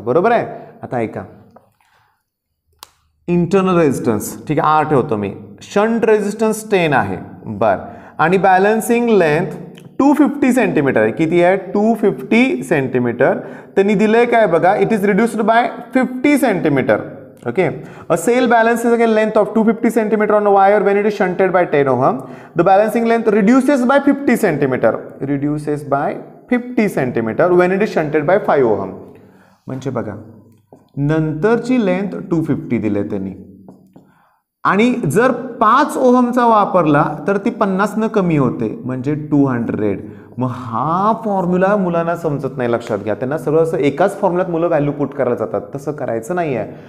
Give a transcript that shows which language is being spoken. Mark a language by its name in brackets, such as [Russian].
[Marathi] बरोबर आहे, आता ऐका, इंटरनल रेझिस्टन्स, ठीक आहे, आर ठेवतो मी, शंट रेझिस्टन्स 10 आहे, बर, आणि बॅलन्सिंग लेंथ 250 सेंटीमीटर आहे. किती आहे, 250 सेंटीमीटर. त्यांनी दिलं आहे काय बघा, [English] It is reduced by 50 centimetre. Okay, a cell balance is again length of 250 centimetre on wire when it is shunted by 10 ohm. The balancing length reduces by 50 centimetre, reduces by 50 centimetre when it is shunted by 5 ohm. [Marathi] म्हणजे बघा, नंतरची length 250 दिले त्यांनी, आणि जर 5 ओहमचा वापरला तर ती 50 ने कमी होते म्हणजे 200. मग हा फॉर्म्युला मुलांना समजत नाही, लक्षात घ्या. त्यांना सर्व असं एकाच फॉर्म्युलात मुलं व्हॅल्यू पुट करायला जातात, तसं करायचं नाही आहे.